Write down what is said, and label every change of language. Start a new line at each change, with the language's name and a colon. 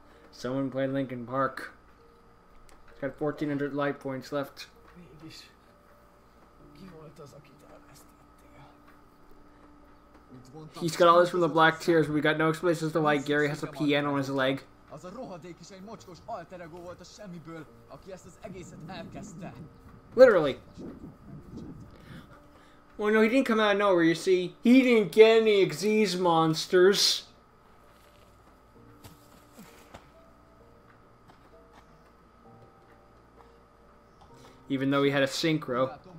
English: Someone played Linkin Park. He's got 1400 life points left.
Hungarian: Mégis, ki volt az, akit elvesztettél?
English: He's got all this from the Black Tears, but we got no explanation as to why Gary has a piano on his leg.
Hungarian: Az a rohadék is egy mocskos alter ego volt a semmiből, aki ezt az egészet elkezdte.
English: Literally. Well, no, he didn't come out of nowhere, you see. He didn't get any Xyz monsters. Even though he had a synchro.